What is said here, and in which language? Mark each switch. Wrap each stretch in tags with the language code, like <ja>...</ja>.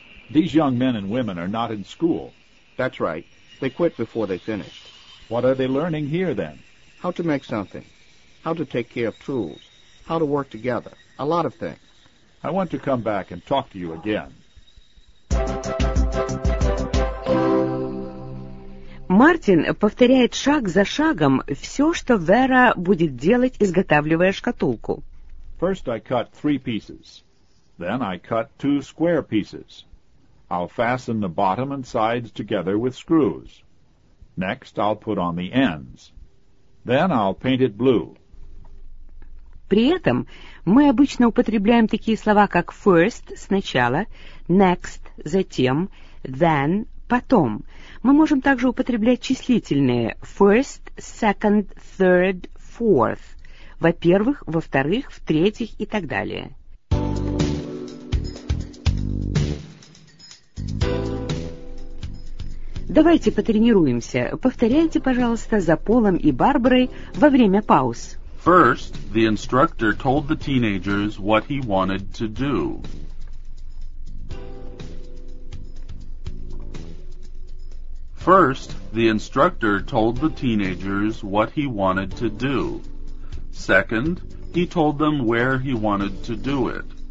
<en>These young men and women are not in school. That's right. They quit before they finished. What are they learning here, then? How to make something. How to take care of tools. How to work together. A lot of things. I want to come back and talk to you again.</en> <ru>Мартин повторяет шаг за шагом все, что Вера будет делать, изготавливая шкатулку.</ru> <en>First I cut 3 pieces. Then I cut 2 square pieces. I'll fasten the bottom and sides together with screws. Next I'll put on the ends. Then I'll paint it blue.</en> <ru>При этом мы обычно употребляем такие слова, как first – сначала, next – затем, then – потом. Мы можем также употреблять числительные</ru> <en>first, second, third, fourth.</en> <ru>Во-первых, во-вторых, в-третьих и так далее. Давайте потренируемся. Повторяйте, пожалуйста, за Полом и Барбарой во время пауз.</ru> <en>First, the instructor told the teenagers what he wanted to do. First, the instructor told the teenagers what he wanted to do. Second, he told them where he wanted to do it.</en>